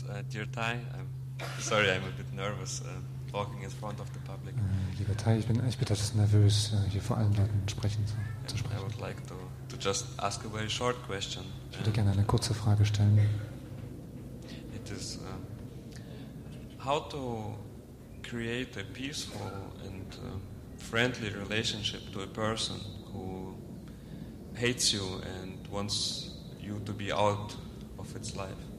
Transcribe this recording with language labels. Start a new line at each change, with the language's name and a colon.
English: Dear Tai, I'm sorry, I'm a bit nervous talking in front of the public.
German: Lieber Tai, ich bin etwas nervös, hier vor allen Leuten zu sprechen.
English: I would like to just ask a very short question.
German: Ich würde gerne eine kurze Frage stellen.
English: It is how to create a peaceful and friendly relationship to a person who hates you and wants you to be out of its life.